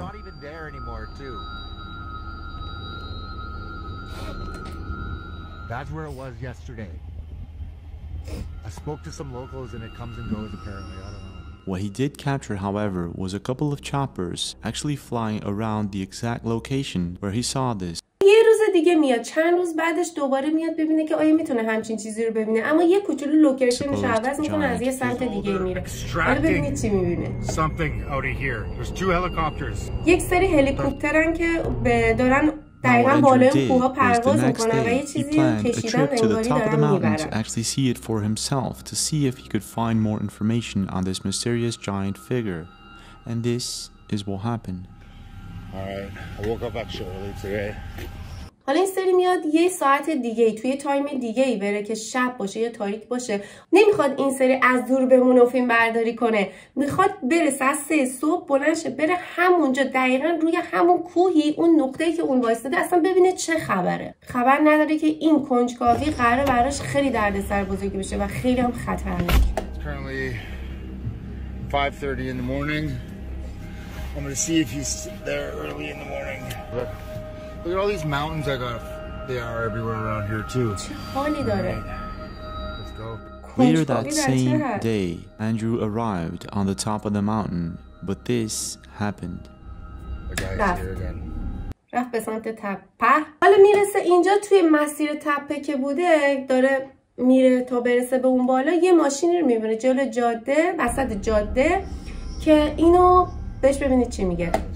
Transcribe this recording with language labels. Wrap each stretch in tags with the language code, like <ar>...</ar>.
<en>And it's not even there anymore, too. That's where it was yesterday. I spoke to some locals and it comes and goes apparently, I don't know. What he did capture, however, was a couple of choppers actually flying around the exact location where he saw this.</en> <fa>یه روز دیگه میاد چند روز بعدش دوباره میاد ببینه که آیا میتونه همچین چیزی رو ببینه اما یه کوچولو لوکیشنش رو عوض میکنه از یه سمت دیگه میره حالا ببینید چی میبینه</fa> <en>something out of here. There's two helicopters.</en> <fa>یک سری هلیکوپترن که دارن دقیقاً بالای کوه پرواز میکنن و یه چیزی کشیدن انگاری دارن میبرن.</fa> <en>Actually see it for himself to see if he could find more information on this mysterious giant figure and this is what happened. Alright, I woke up actually early today.</en> <fa>حالا این سری میاد یه ساعت دیگه توی تایم دیگه ای بره که شب باشه یا تاریک باشه. نمیخواد این سری از دور بمونه و فیلم برداری کنه. میخواد بره ساعت 3 صبح بلند شه بره همونجا دقیقاً روی همون کوهی اون نقطه‌ای که اون وایساده اصلا ببینه چه خبره. خبر نداره که این کنجکاوی قراره براش خیلی دردسر بزرگی بشه و خیلی هم خطرناک.</fa> <en>Currently 5:30 in the morning. I'm going to see if he's there early in the morning. Look at all these mountains I got. They are everywhere around here too. Right. Let's go. Later that same day, Andrew arrived on the top of the mountain, but this happened. The guy is here again.</en> <fa>رفت به سمت تپه. حالا میرسه اینجا توی مسیر تپه که بوده داره میره تا برسه به اون بالا یه ماشینی رو میبینه جلو جاده وسط جاده که اینو بهش ببینید چی میگه.</fa>